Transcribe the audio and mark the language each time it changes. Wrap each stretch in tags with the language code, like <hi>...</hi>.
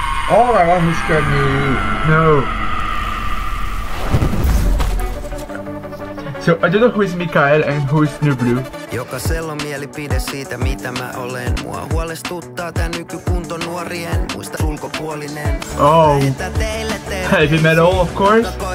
<en>Oh my god, he scared me, no. So I don't know who is Mikael and who is nublu.</en> <fi>Jokaisella on mielipide siitä, mitä mä olen. Mua huolestuttaa tää nykykunto nuorien. Muista ulkopuolinen.</fi> <en>Oh, heavy metal, of course.</en>